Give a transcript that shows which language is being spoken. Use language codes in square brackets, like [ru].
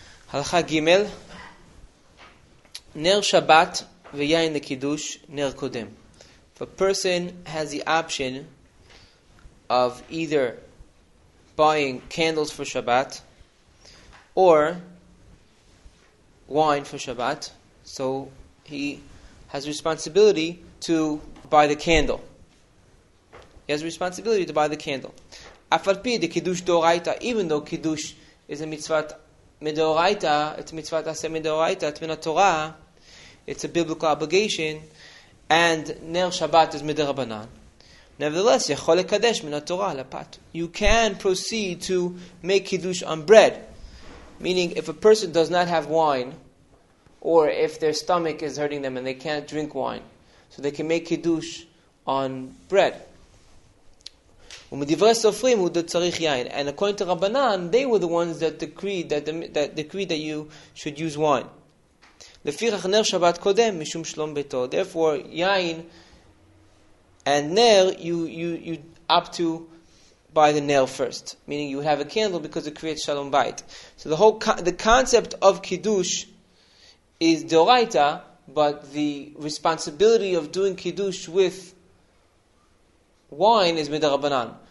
[he] הלכה ג' נר שבת ויין לקידוש נר קודם. [en] If a person has the option of either buying candles for Shabbat or wine for Shabbat, so he has responsibility to buy the candle. He has a responsibility to buy the candle. [he] Af al pi de kiddush doraita, [en] even though kiddush is a mitzvat medoraita, it's a mitzvat aseh medoraita, it's min haTorah, it's a biblical obligation, and ner Shabbat is midrabanan. Nevertheless, [he] yachol lekadesh min haTorah lepat. [en] You can proceed to make kiddush on bread, meaning if a person does not have wine, or if their stomach is hurting them and they can't drink wine, so they can make kiddush on bread. [he] ומדברי סופרים הוא צריך יין. [en] And according to Rabbanan, they were the ones that decreed that you should use wine. [he] לפיכך נר שבת קודם משום שלום ביתו. [en] Therefore, yain and ner, you up to buy the ner first. Meaning you have a candle because it creates shalom bayit. So the whole the concept of kiddush is doraita, but the responsibility of doing kiddush with wine is midrabanan.